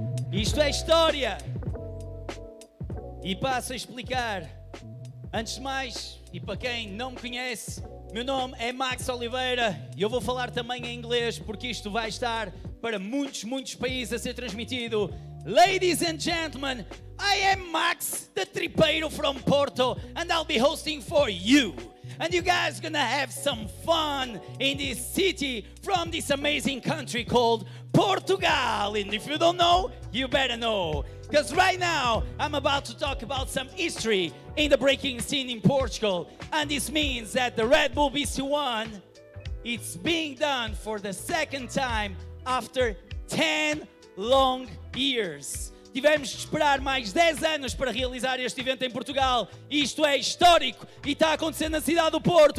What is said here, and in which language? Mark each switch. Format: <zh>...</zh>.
<pt>Isto é história. E passo a explicar. Antes de mais, e para quem não me conhece, meu nome é Max Oliveira e eu vou falar também em inglês porque isto vai estar para muitos, muitos países a ser transmitido.</pt> <en>Ladies and gentlemen, I am Max, the tripeiro from Porto, and I'll be hosting for you. And you guys are gonna have some fun in this city from this amazing country called Portugal. And if you don't know, you better know. Because right now, I'm about to talk about some history in the breaking scene in Portugal. And this means that the Red Bull BC One, it's being done for the second time after 10 long years.</en> <pt>Tivemos de esperar mais 10 anos para realizar este evento em Portugal. Isto é histórico e está acontecendo na cidade do Porto.</pt>